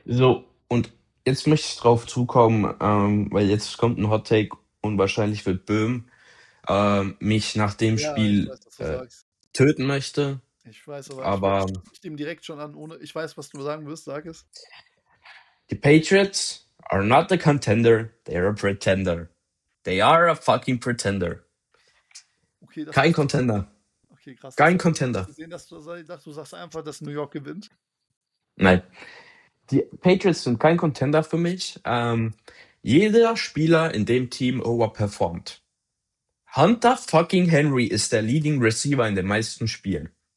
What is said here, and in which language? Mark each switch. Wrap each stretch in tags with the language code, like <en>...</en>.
<de>So, und jetzt möchte ich drauf zukommen, weil jetzt kommt ein Hot-Take und wahrscheinlich wird Böhm mich nach dem Spiel töten möchte. Ich weiß aber, ich spreche ihm direkt schon an, ohne, ich weiß, was du sagen wirst, sag es.</de> <en>The Patriots are not a contender, they are a pretender. They are a fucking pretender.</en> <de>Okay, kein Contender. Okay, krass. Kein Contender. Gesehen, dass du sagst einfach, dass New York gewinnt. Nein. Die Patriots sind kein Contender für mich. Jeder Spieler in dem Team overperformt. Hunter fucking Henry ist der Leading Receiver in den meisten Spielen.</de>